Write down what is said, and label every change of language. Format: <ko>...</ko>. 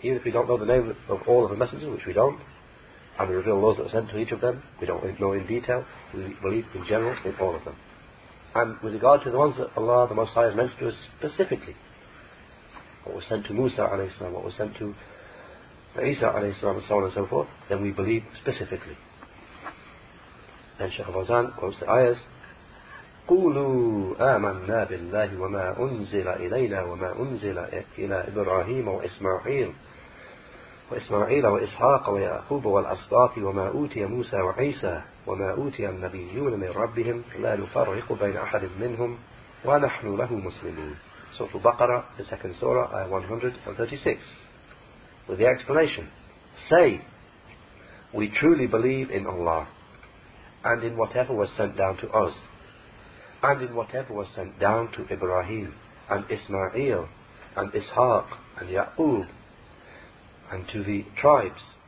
<en>Even if we don't know the name of all of the messengers, which we don't, and the revealed laws that are sent to each of them, we don't know in detail, we believe in general in all of them. And with regard to the ones that Allah the Most High has mentioned to us specifically, what was sent to Musa alayhi salam, what was sent to Isa alayhi salam, and so on and so forth, then we believe specifically. Then Shaykh Fawzan quotes the ayahs,</en> <ar>قولوا آمنا بالله وما أنزل إلينا وما أنزل إلى إبراهيم وإسماعيل وإسماعيل وإسحاق ويعقوب والأسباط وما أوتي موسى وعيسى وما أوتي النبيون من ربهم لا نفرق بين أحد منهم ونحن له مسلمون.</ar> <en>Surah Al-Baqarah, the second surah, ayah 136, with the explanation, say, we truly believe in Allah, and in whatever was sent down to us, and in whatever was sent down to Ibrahim, and Ismail, and Ishaq, and Ya'qub, and to the tribes,</en>